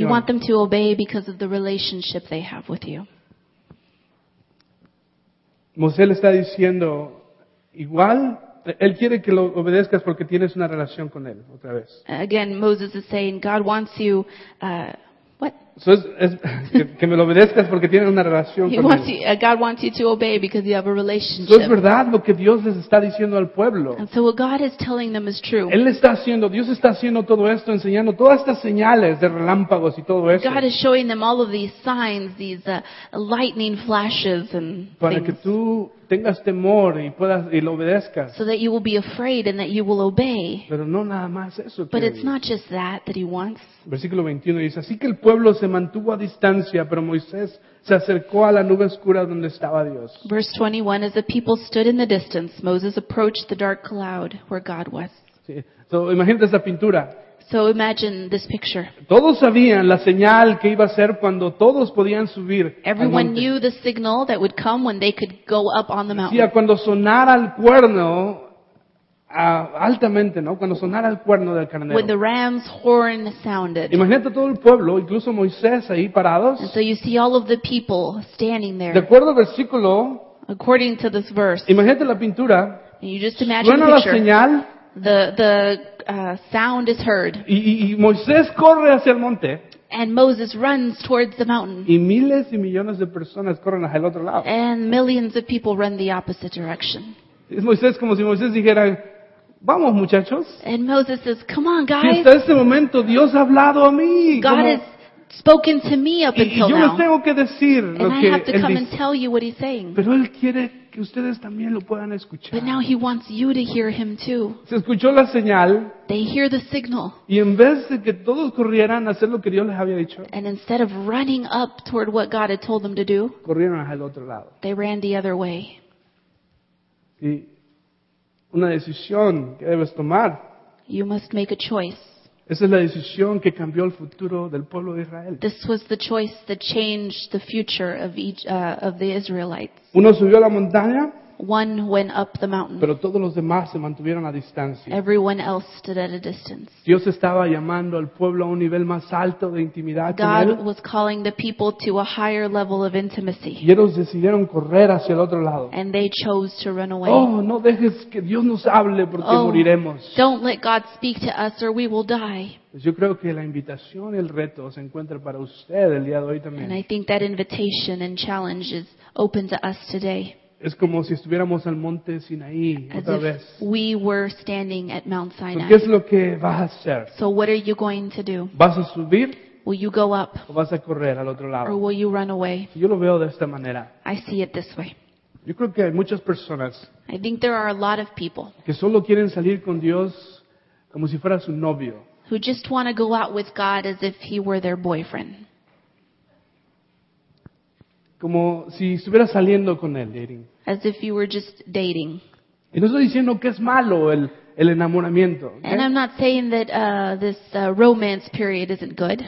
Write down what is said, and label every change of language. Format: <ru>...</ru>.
<en>You want them to obey because of the relationship they have with you.</en> <es>Moisés le está diciendo... Igual, Él quiere que lo obedezcas porque tienes una relación con Él, otra vez.</es> <en>Again, Moses is saying, God wants you, what?</en> <es>So es que me lo obedezcas porque tienes una relación</es> <en>he</en> <es>con</es> <en>wants</en> <es>Él.</es> <en>You, God wants you to obey because you have a relationship.</en> <es>So es verdad lo que Dios les está diciendo al pueblo.</es> <en>And so what God is telling them is true.</en> <es>Dios está haciendo todo esto, enseñando todas estas señales de relámpagos y todo eso.</es> <en>God is showing them all of these signs, these lightning flashes and</en> <es>para</es> <en>things.</en> <es>Que tú... tengas temor y puedas y lo obedezcas.</es> <en>So that you will be afraid and that you will obey.</en> <es>Pero no nada más eso.</es> <en>But it's not just that that he wants.</en> <es>Versículo 21 dice, así que el pueblo se mantuvo a distancia, pero Moisés se acercó a la nube oscura donde estaba Dios.</es> <en>Verse 21, as the people stood in the distance, Moses approached the dark cloud where God was.</en> <es>Sí. So, imagínate esa pintura.</es> <en>So imagine this picture.</en> <es>Todos sabían la señal que iba a ser cuando todos podían subir.</es> <en>Everyone knew the signal that would come when they could go up on the mountain.</en> <es>Decía, cuando sonara el cuerno altamente, ¿no? Cuando sonara el cuerno del carnero.</es> <en>When the ram's horn sounded.</en> <es>Imagínate todo el pueblo, incluso Moisés ahí parados.</es> <en>And so you see all of the people standing there.</en> <es>De acuerdo al versículo.</es> <en>According to this verse.</en> <es>Imagínate la pintura.</es> <en>And you just imagine the picture.</en> <es>Suena la señal.</es> <en>The sound is heard.</en> <es>Y Moisés corre hacia el monte.</es> <en>And Moses runs towards the mountain.</en> <es>Y miles y millones de personas corren hacia el otro lado.</es> <en>And millions of people run the opposite direction.</en> <es>Es Moisés como si Moisés dijera, vamos muchachos.</es> <en>And Moses says, come on guys.</en> <es>Y hasta este momento Dios ha hablado a mí.</es> <en>God has spoken to me up until</en> <es>y yo</es> <en>now.</en> <es>Yo les tengo que decir</es> <en>and</en> <es>lo que</es> <en>I have to come</en> <es>dice.</es> <en>And tell you what he's saying.</en> <es>Pero él quiere que ustedes también lo puedan escuchar.</es> <en>But now he wants you to hear him too.</en> <es>Se escuchó la señal.</es> <en>They hear the signal.</en> <es>Y en vez de que todos corrieran a hacer lo que Dios les había dicho.</es> <en>And instead of running up toward what God had told them to do.</en> <es>Corrieron hacia el otro lado.</es> <en>They ran the other way.</en> <es>Y una decisión que debes tomar.</es> <en>You must make a choice.</en> <es>Esa es la decisión que cambió el futuro del pueblo de Israel.</es> <en>This was the choice that changed the future of each of the Israelites.</en> <es>Uno subió a la montaña.</es> <en>One went up the mountain.</en> <es>Pero todos los demás se mantuvieron a distancia.</es> <en>Everyone else stood at a distance.</en> <es>Dios estaba llamando al pueblo a un nivel más alto de intimidad.</es> <en>God was calling the people to a higher level of intimacy.</en> <es>Y ellos decidieron correr hacia el otro lado.</es> <en>And they chose to run away.</en> <es>Oh, no dejes que Dios nos hable porque moriremos.</es> <en>Don't let God speak to us or we will die.</en> <es>Pues yo creo que la invitación y el reto se encuentra para usted el día de hoy también.</es> <en>And I think that invitation and challenge is open to us today.</en> <es>Es como si estuviéramos al monte Sinaí otra vez.</es> <en>We were standing at Mount Sinai.</en> <es>¿Qué es lo que vas a hacer?</es> <en>So what are you going to do?</en> <es>¿Vas a subir?</es> <en>Will you go up?</en> <es>¿O vas a correr al otro lado?</es> <en>Or will you run away?</en> <es>Yo lo veo de esta manera.</es> <en>I see it this way.</en> <es>Yo creo que hay muchas personas.</es> <en>I think there are a lot of people.</en> <es>Que solo quieren salir con Dios como si fuera su novio.</es> <en>Who just want to go out with God as if he were their boyfriend.</en> <es>Como si estuviera saliendo con él, dating.</es> <en>As if you were just dating.</en> <es>Y no estoy diciendo que es malo el enamoramiento. ¿Eh?</es> <en>And I'm not saying that this romance period isn't good.</en>